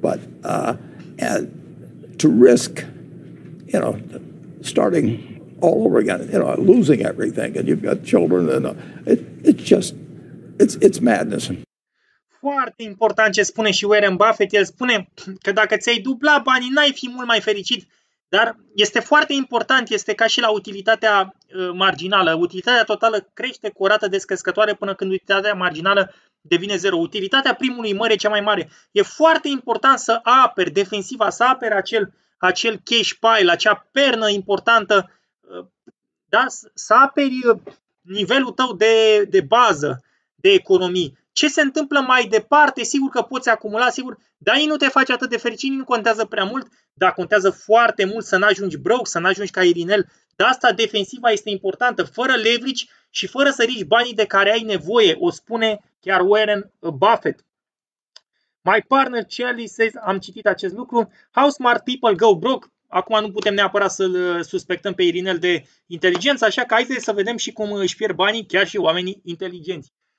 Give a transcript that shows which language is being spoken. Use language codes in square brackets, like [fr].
[en] But and to risk, you know, starting all over again, you know, losing everything, and you've got children, and it's madness. [ro] Foarte important ce spune și Warren Buffett. El spune că dacă ți-ai dubla banii, n-ai fi mult mai fericit. Dar este foarte important, este ca și la utilitatea marginală. Utilitatea totală crește cu o rată descrescătoare până când utilitatea marginală devine zero. Utilitatea primului măr e cea mai mare. E foarte important să aperi defensiva, să aperi acel cash pile, acea pernă importantă, da? Să aperi nivelul tău de bază, de economii. Ce se întâmplă mai departe, sigur că poți acumula, sigur, dar ei nu te face atât de fericit, nu contează prea mult, dar contează foarte mult să n-ajungi broke, să n-ajungi ca Irinel. De asta defensiva este importantă, fără leverage și fără să ridici banii de care ai nevoie, o spune chiar Warren Buffett. [en] My partner Charlie says, [ro] am citit acest lucru, [en] how smart people go broke. [ro] Acum nu putem neapărat să-l suspectăm pe Irinel de inteligență, așa că haideți să vedem și cum își pierd banii chiar și oamenii inteligenți.